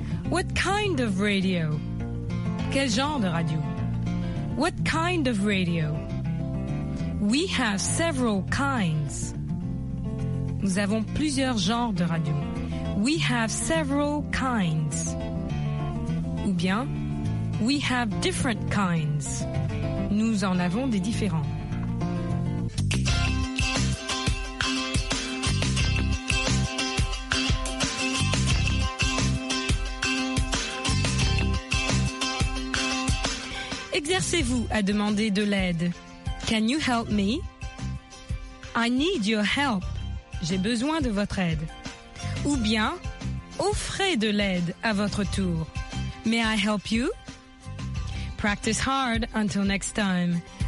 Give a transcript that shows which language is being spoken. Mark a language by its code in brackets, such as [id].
[en] What kind of radio? [fr] Quel genre de radio? [en] What kind of radio? We have several kinds. [fr] Nous avons plusieurs genres de radio. [en] We have several kinds. [fr] Ou bien... [en] We have different kinds. [fr] Nous en avons des différents. Exercez-vous à demander de l'aide. [en] Can you help me? I need your help. [fr] J'ai besoin de votre aide. Ou bien, offrez de l'aide à votre tour. [en] May I help you? Practice hard until next time.